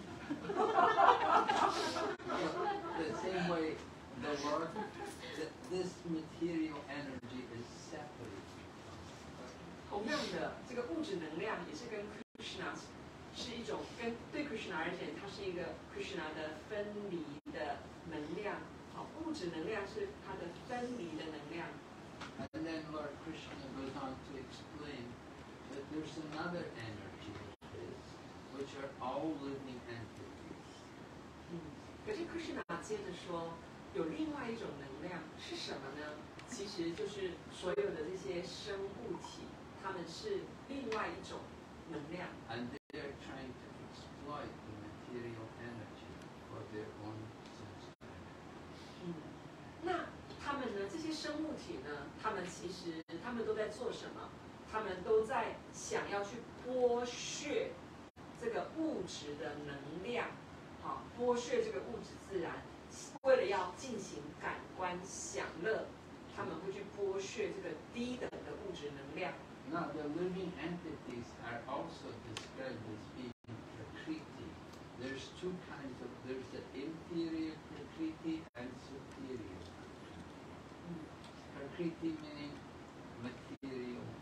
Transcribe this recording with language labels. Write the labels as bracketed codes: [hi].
[en] The same way, the world, this material energy is separate. [zh] 同样的，这个物质能量也是跟 Krishna 是一种跟对 Krishna 而言，它是一个 Krishna 的分离的能量。好，物质能量是它的分离的能量。 [en] And then Lord Krishna goes on to explain that there's another energy which are all living entities. [zh] 嗯，可是 Krishna 接着说，有另外一种能量是什么呢？其实就是所有的这些生物体，它们是另外一种能量。 [en] And they're trying to exploit the material energy for their own sense of energy. [zh] 嗯，那。他们呢？这些生物体呢？他们其实，他们都在做什么？他们都在想要去剥削这个物质的能量，好，剥削这个物质自然，为了要进行感官享乐，他们会去剥削这个低等的物质能量。 [en] Now the living entities are also described as being prakriti. There's two kinds of. There's the inferior prakriti and superior.Prakriti meaning material.